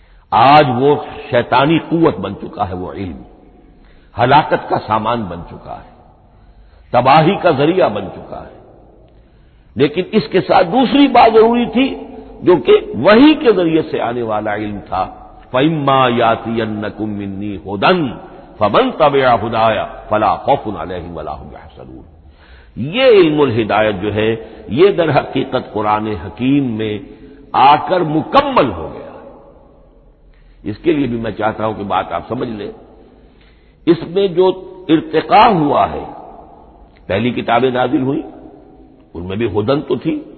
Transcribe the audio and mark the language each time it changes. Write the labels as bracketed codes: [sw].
[ur] آج وہ شیطانی قوت بن چکا ہے، وہ علم ہلاکت کا سامان بن چکا ہے، تباہی کا ذریعہ بن چکا ہے. لیکن اس کے ساتھ دوسری بات ضروری تھی جو کہ وہی کے ذریعے سے آنے والا علم تھا، [ar] فَإِمَّا يَأْتِيَنَّكُم مِّنِّي هُدًى فمن تبع هدايا فلا خوف عليهم ولا هم يحزنون. [ur] یہ علم الہدایت جو ہے یہ در حقیقت قرآن حکیم میں آ کر مکمل ہو گیا. اس کے لیے بھی میں چاہتا ہوں کہ بات آپ سمجھ لیں. اس میں جو ارتقاء ہوا ہے, پہلی کتابیں نازل ہوئیں ان میں بھی ہدن تو تھی.